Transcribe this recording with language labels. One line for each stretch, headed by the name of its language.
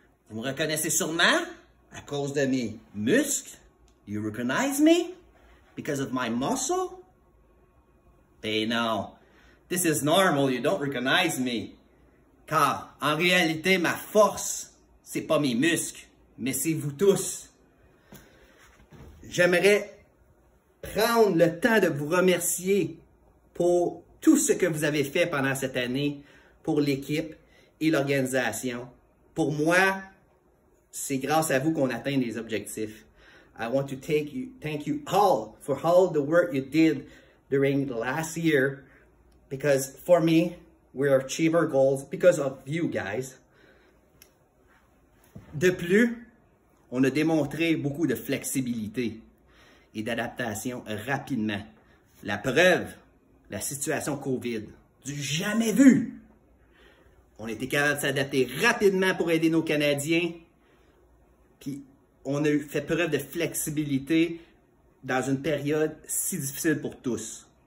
French: Vous me reconnaissez sûrement à cause de mes muscles.
English: You recognize me because of my muscle?
French: Ben non.
English: This is normal. You don't recognize me.
French: Car en réalité, ma force, c'est pas mes muscles, mais c'est vous tous. J'aimerais prendre le temps de vous remercier pour tout ce que vous avez fait pendant cette année pour l'équipe et l'organisation. Pour moi, c'est grâce à vous qu'on atteint les objectifs.
English: I want to thank you all for all the work you did during the last year, because for me, we achieve our goals because of you guys.
French: De plus, on a démontré beaucoup de flexibilité et d'adaptation rapidement. La preuve, la situation COVID, du jamais vu. On était capable de s'adapter rapidement pour aider nos Canadiens. Puis, on a fait preuve de flexibilité dans une période si difficile pour tous.